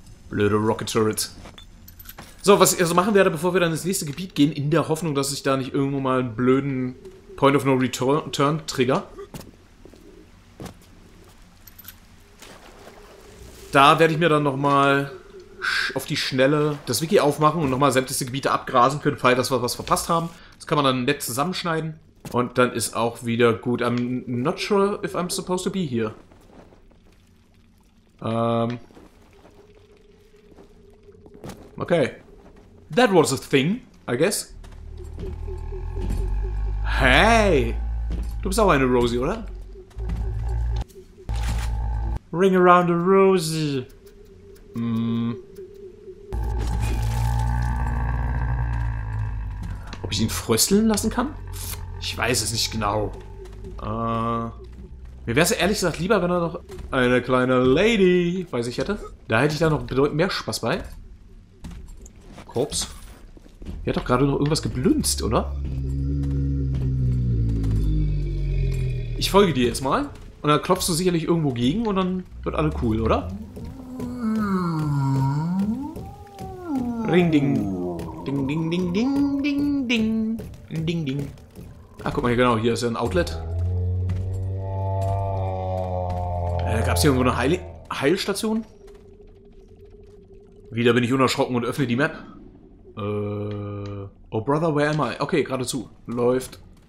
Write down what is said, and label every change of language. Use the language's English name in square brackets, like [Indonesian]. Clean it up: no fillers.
[German] Blöde Rocket-Turret. So, was ich also machen werde, bevor wir dann ins nächste Gebiet gehen, in der Hoffnung, dass ich da nicht irgendwo mal einen blöden Point-of-No-Return trigger. Da werde ich mir dann nochmal auf die Schnelle das Wiki aufmachen und nochmal sämtliche Gebiete abgrasen für den Fall, dass wir was verpasst haben. Das kann man dann nett zusammenschneiden. Und dann ist auch wieder gut. [English] I'm not sure if I'm supposed to be here. Okay. That was a thing, I guess. Hey! [German] Du bist auch eine Rosie, oder? [English] Ring around a Rosie. [German] Ob ich ihn frösteln lassen kann? Ich weiß es nicht genau. Mir wäre es ehrlich gesagt lieber, wenn er noch eine kleine Lady, weiß ich, hätte. Da hätte ich da noch bedeutend mehr Spaß bei. Korps. Er hat doch gerade noch irgendwas geblünzt, oder? Ich folge dir jetzt mal. Und dann klopfst du sicherlich irgendwo gegen und dann wird alle cool, oder? Ring, ding. Ding, ding, ding, ding, ding, ding. Ding, ding, ding. Ah, guck mal hier, genau, hier ist ja ein Outlet. Gab es hier irgendwo eine Heilstation? Wieder bin ich unerschrocken und öffne die Map. [English] Oh, brother, where am I? [German] Okay, geradezu. Läuft.